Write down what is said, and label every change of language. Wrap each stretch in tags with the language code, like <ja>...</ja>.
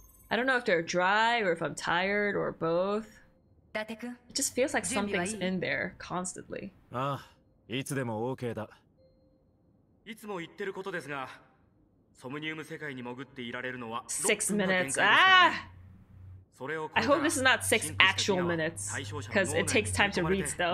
<en>I don't know if they're dry or if I'm tired or both.</en> <ja>Date kun,</ja> <en>it just feels like something's in there constantly.</en> <ja>Ah, いつでも OK だ。いつも言ってることですが、ソムニウム世界に潜っていられるのは</ja> <en>6 minutes. I hope this is not 6 actual minutes because it takes time to read stuff.</en>